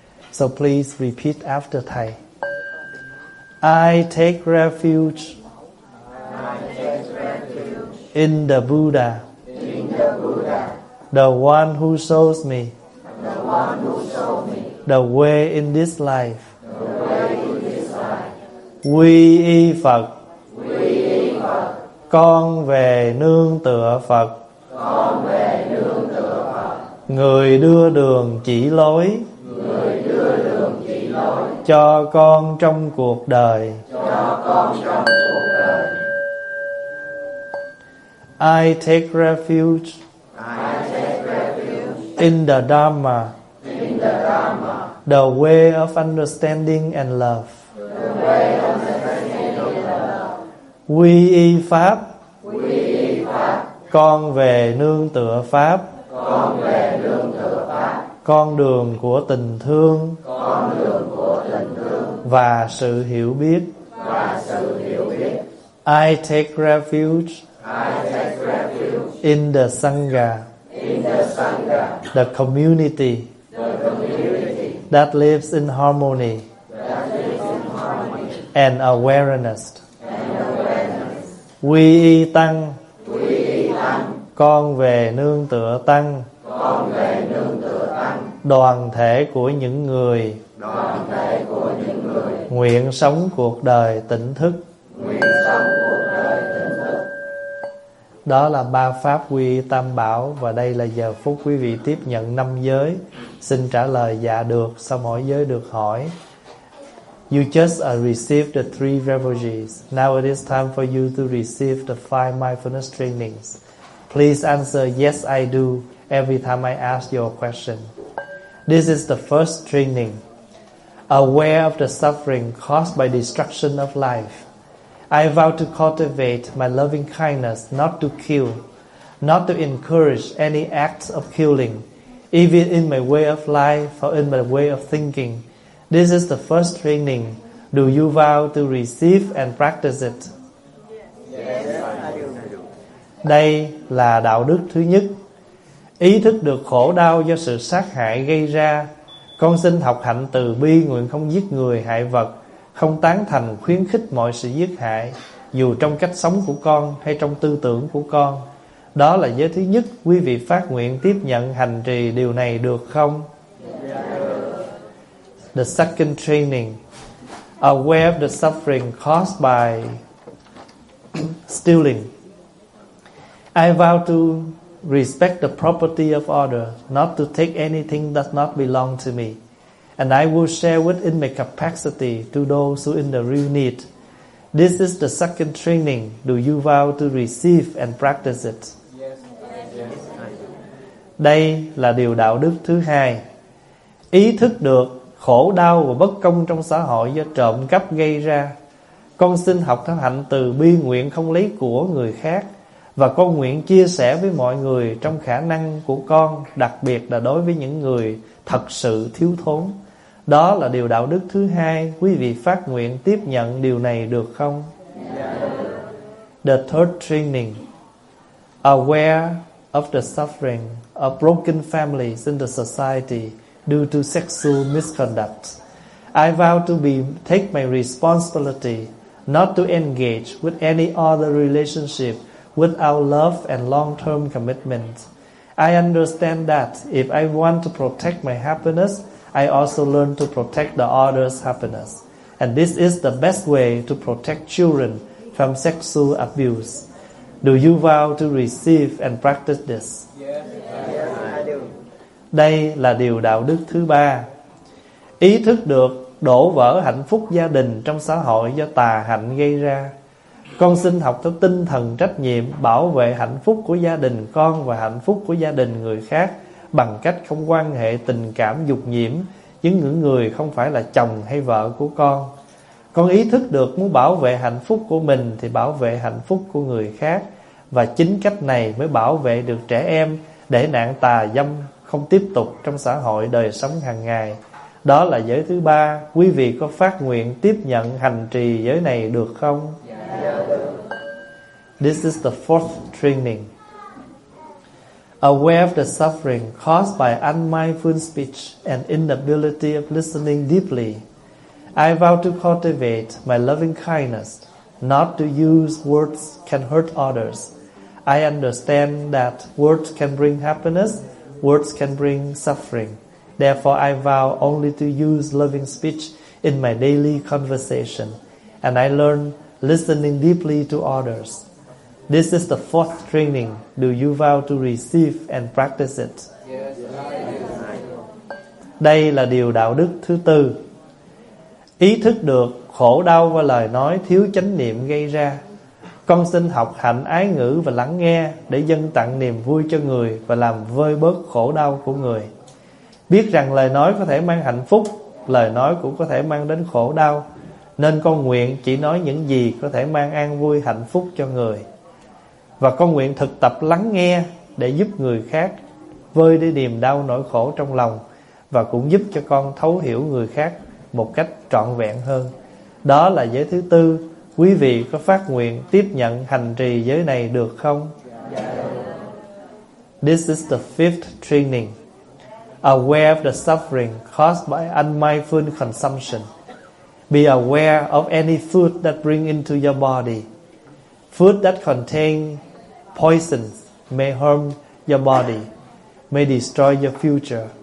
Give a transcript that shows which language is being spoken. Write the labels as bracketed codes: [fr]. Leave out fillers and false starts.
[en] So please repeat after Thầy. I take refuge in the Buddha, the one who shows me the way in this life. [vi] Quy y Phật, con về nương tựa Phật. Người đưa đường chỉ lối, cho con trong cuộc đời. [en] I take refuge in the Dharma, the way of understanding and love. [vi] Quy y Pháp, con về nương tựa Pháp. Con đường của tình thương và sự hiểu biết. [en] I take refuge in the Sangha, the community that lives in harmony and awareness. [vi] Quy y Tăng, con về nương tựa Tăng. Đoàn thể của những người nguyện sống cuộc đời tỉnh thức. Đó là ba pháp quy Tam Bảo. Và đây là giờ phút quý vị tiếp nhận năm giới. Xin trả lời dạ được sau mỗi giới được hỏi. [en] You just received the three refuges. Now it is time for you to receive the five mindfulness trainings. Please answer yes I do every time I ask your question. This is the first training. Aware of the suffering caused by destruction of life, I vow to cultivate my loving kindness, not to kill, not to encourage any acts of killing, even in my way of life or in my way of thinking. This is the first training. Do you vow to receive and practice it? [vi] Đây là đạo đức thứ nhất. Ý thức được khổ đau do sự sát hại gây ra, con xin học hạnh từ bi, nguyện không giết người hại vật, không tán thành khuyến khích mọi sự giết hại, dù trong cách sống của con hay trong tư tưởng của con. Đó là giới thứ nhất. Quý vị phát nguyện tiếp nhận hành trì điều này được không? [en] The second training. Aware of the suffering caused by stealing, I vow to respect the property of others, not to take anything that does not belong to me. And I will share within my capacity to those who in the real need. This is the second training. Do you vow to receive and practice it? [vi] Đây là điều đạo đức thứ hai. Ý thức được khổ đau và bất công trong xã hội do trộm cắp gây ra, con xin học theo hạnh từ bi, nguyện không lấy của người khác, Và con nguyện chia sẻ với mọi người trong khả năng của con, đặc biệt là đối với những người thật sự thiếu thốn. Đó là điều đạo đức thứ hai. Quý vị phát nguyện tiếp nhận điều này được không? [en] The third training: aware of the suffering of broken families in the society due to sexual misconduct. I vow to be take my responsibility not to engage with any other relationship without love and long-term commitment. I understand that if I want to protect my happiness, I also learn to protect the other's happiness. And this is the best way to protect children from sexual abuse. Do you vow to receive and practice this? Yes, I do. [vi] Đây là điều đạo đức thứ ba. Ý thức được đổ vỡ hạnh phúc gia đình trong xã hội do tà hạnh gây ra. Con xin học theo tinh thần trách nhiệm bảo vệ hạnh phúc của gia đình con và hạnh phúc của gia đình người khác bằng cách không quan hệ tình cảm dục nhiễm với những người không phải là chồng hay vợ của con. Con ý thức được muốn bảo vệ hạnh phúc của mình thì bảo vệ hạnh phúc của người khác, và chính cách này mới bảo vệ được trẻ em để nạn tà dâm không tiếp tục trong xã hội đời sống hàng ngày. Đó là giới thứ ba. Quý vị có phát nguyện tiếp nhận hành trì giới này được không? [en] This is the fourth training: aware of the suffering caused by unmindful speech and inability of listening deeply. I vow to cultivate my loving kindness, not to use words can hurt others. I understand that words can bring happiness, words can bring suffering. Therefore, I vow only to use loving speech in my daily conversation, and I learn listening deeply to others. This is the fourth training. Do you vow to receive and practice it? Yes. [vi] Đây là điều đạo đức thứ tư. Ý thức được khổ đau và lời nói thiếu chánh niệm gây ra. Con xin học hạnh ái ngữ và lắng nghe để dâng tặng niềm vui cho người và làm vơi bớt khổ đau của người. Biết rằng lời nói có thể mang hạnh phúc, lời nói cũng có thể mang đến khổ đau, nên con nguyện chỉ nói những gì có thể mang an vui hạnh phúc cho người. Và con nguyện thực tập lắng nghe để giúp người khác vơi đi niềm đau nỗi khổ trong lòng, và cũng giúp cho con thấu hiểu người khác một cách trọn vẹn hơn. Đó là giới thứ tư. Quý vị có phát nguyện tiếp nhận hành trì giới này được không? [en] This is the fifth training: aware of the suffering caused by unmindful consumption. Be aware of any food that bring into your body. Food that contain poisons may harm your body, may destroy your future.